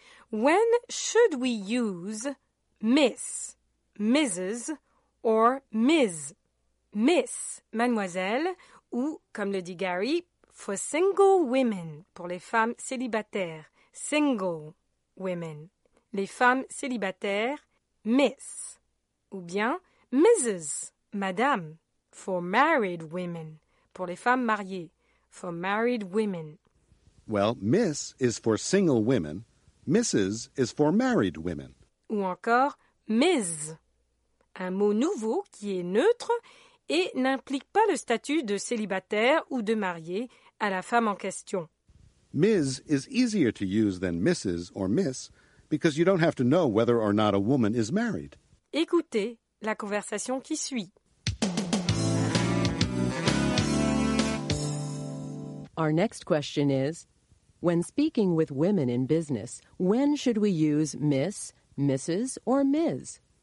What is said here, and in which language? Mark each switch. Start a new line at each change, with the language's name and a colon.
English: When should we use Miss, Mrs, or Ms?
French: Miss, mademoiselle, ou, comme le dit Gary,
English: for single women,
French: pour les femmes célibataires.
English: Single women,
French: les femmes célibataires, Miss, ou bien Mrs, madame,
English: for married women,
French: pour les femmes mariées,
English: for married women. Well, Miss is for single women, Mrs is for married women.
French: Ou encore Ms, un mot nouveau qui est neutre et n'implique pas le statut de célibataire ou de marié à la femme en question.
English: Ms is easier to use than Mrs or Miss because you don't have to know whether or not a woman is married.
French: Écoutez la conversation qui suit.
English: Our next question is, when speaking with women in business, when should we use Miss, Mrs, or Ms?